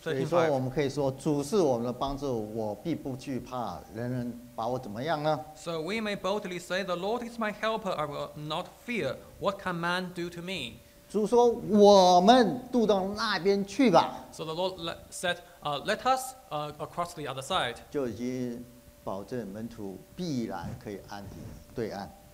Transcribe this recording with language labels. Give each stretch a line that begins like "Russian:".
Chinese: 所以说我们可以说主是我们的帮助，我必不惧怕，人人把我怎么样呢？
English: So we may boldly say, the Lord is my helper, I will not fear. What can man do to me?
Chinese: 主说我们渡到那边去吧。
English: So the Lord said, let us across the other side.
Chinese: 就已经保证门徒必然可以安抵对岸。